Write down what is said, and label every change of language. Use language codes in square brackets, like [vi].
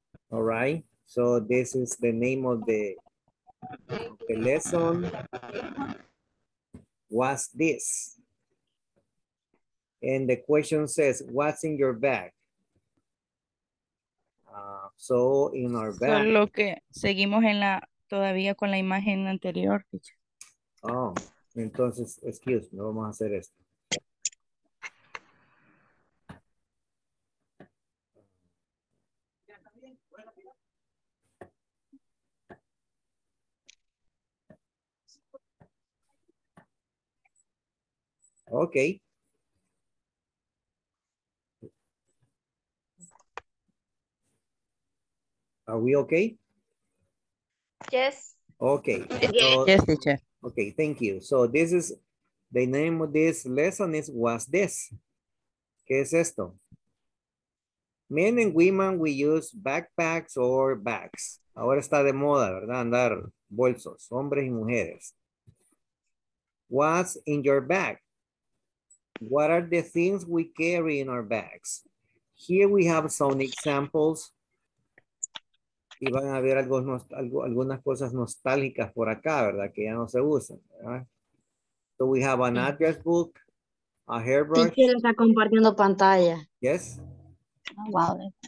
[en] All right, so this is the name of the lesson. What's this? And the question says, what's in your bag? So in our bag. [es] Solo que seguimos en la, todavía con la imagen anterior. Oh, entonces, [en] excuse me, [es] vamos a hacer esto. [en] Okay. Are we okay? Yes. Okay. Yes. So, yes, teacher. Okay, thank you. So this is, the name of this lesson is, what's this? [es] ¿Qué es esto? [en] Men and women, we use backpacks or bags. [es] Ahora está de moda, ¿verdad? Andar bolsos, hombres y mujeres. [en] What's in your bag? What are the things we carry in our bags? Here we have some examples. [es] Y van a ver algunas cosas nostálgicas por acá, ¿verdad? Que ya no se usan, ¿verdad? [en] So we have an address book, a hairbrush. [es] Sí, quiero estar compartiendo pantalla. [en] Yes. Oh, wow.